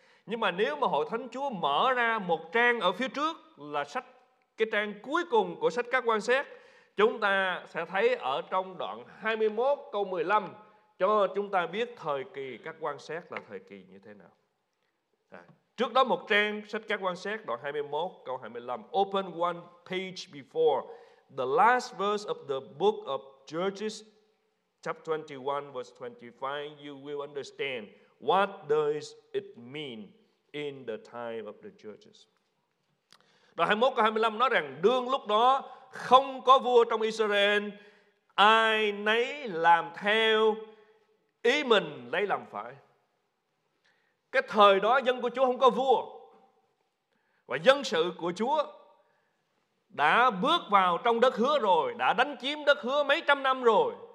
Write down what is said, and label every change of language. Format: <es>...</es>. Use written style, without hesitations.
<vi>Nhưng mà nếu mà Hội Thánh Chúa mở ra một trang ở phía trước là sách, cái trang cuối cùng của sách các quan xét, chúng ta sẽ thấy ở trong đoạn 21 câu 15 cho chúng ta biết thời kỳ các quan xét là thời kỳ như thế nào. Trước đó một trang sách các quan xét, đoạn 21 câu 25.</vi> <en>Open one page before the last verse of the book of Judges, chapter 21 verse 25, you will understand what does it mean in the time of the judges.</en> <vi>Đoạn 21 câu 25 nói rằng đương lúc đó không có vua trong Israel, ai nấy làm theo ý mình lấy làm phải. Cái thời đó dân của Chúa không có vua. Và dân sự của Chúa đã bước vào trong đất hứa rồi, đã đánh chiếm đất hứa mấy trăm năm rồi.</vi>